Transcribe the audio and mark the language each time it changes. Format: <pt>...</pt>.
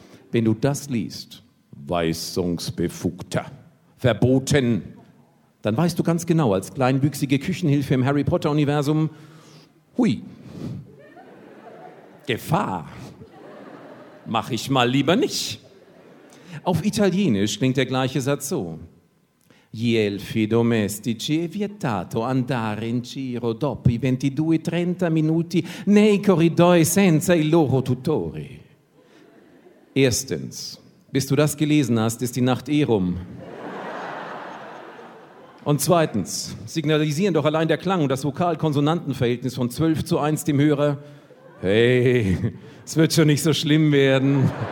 <de>Wenn du das liest, Weisungsbefugter, verboten, dann weißt du ganz genau, als kleinwüchsige Küchenhilfe im Harry-Potter-Universum, hui, Gefahr, mach ich mal lieber nicht. Auf Italienisch klingt der gleiche Satz so.</de> <it>Gli elfi domestici è vietato andare in giro dopo i 22-30 minuti nei corridoi senza i loro tutori.</it> <de>Erstens, bis du das gelesen hast, ist die Nacht eh rum. Und zweitens, signalisieren doch allein der Klang und das Vokal-Konsonanten-Verhältnis von 12 zu 1 dem Hörer, hey, es wird schon nicht so schlimm werden.</de>